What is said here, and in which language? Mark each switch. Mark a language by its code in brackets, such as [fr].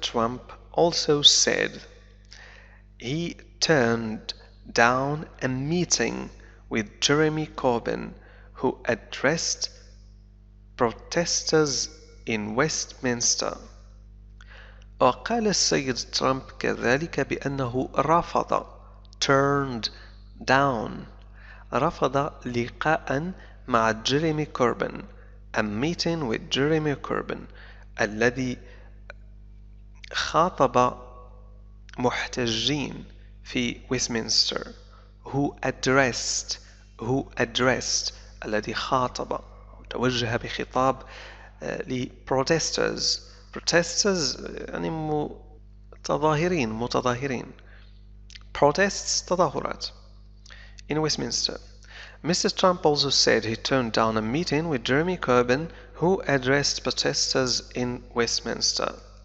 [en] Trump also said he turned down a meeting with Jeremy Corbyn who addressed protesters in Westminster. [ar] وقال السيد ترامب كذلك بأنه رفض [en] turned down [ar] رفض لقاء مع جيريمي كوربن [en] a meeting with Jeremy Corbyn [ar] الذي خاطب محتجين في ويستمنستر [en] who addressed [ar] الذي خاطب توجه بخطاب لبروتسترز protesters يعني متظاهرين protests تظاهرات [en] in Westminster. Mr. Trump also said he turned down a meeting with Jeremy Corbyn who addressed protesters in Westminster.